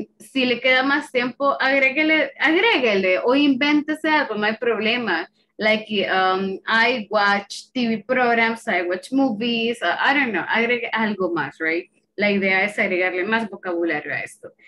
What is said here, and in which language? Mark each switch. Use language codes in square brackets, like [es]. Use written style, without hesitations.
[es] Si le queda más tiempo, agréguele o invéntese algo, no hay problema. [en] Like, I watch TV programs, I watch movies, I don't know, [es] agregue algo más, [en] right? [es] La idea es agregarle más vocabulario a esto.